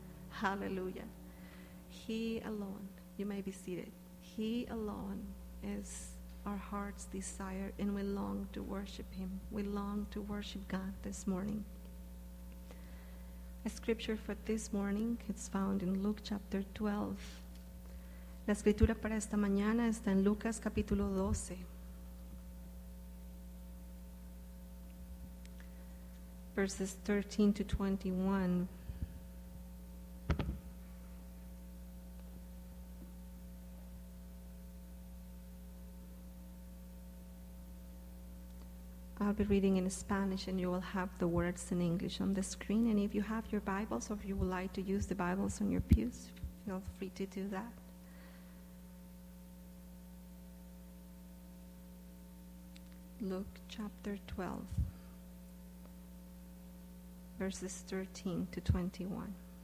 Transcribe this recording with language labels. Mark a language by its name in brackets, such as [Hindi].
[English] Hallelujah. He alone, you may be seated. He alone is our heart's desire, and we long to worship him. We long to worship God this morning. A scripture for this morning, it's found in Luke chapter 12. [Spanish] La escritura para esta mañana está en Lucas capítulo 12. [English] Verses 13 to 21. I'll be reading in Spanish, and you will have the words in English on the screen. And if you have your Bibles, or if you would like to use the Bibles on your pews, feel free to do that. Luke chapter 12, verses 13 to 21.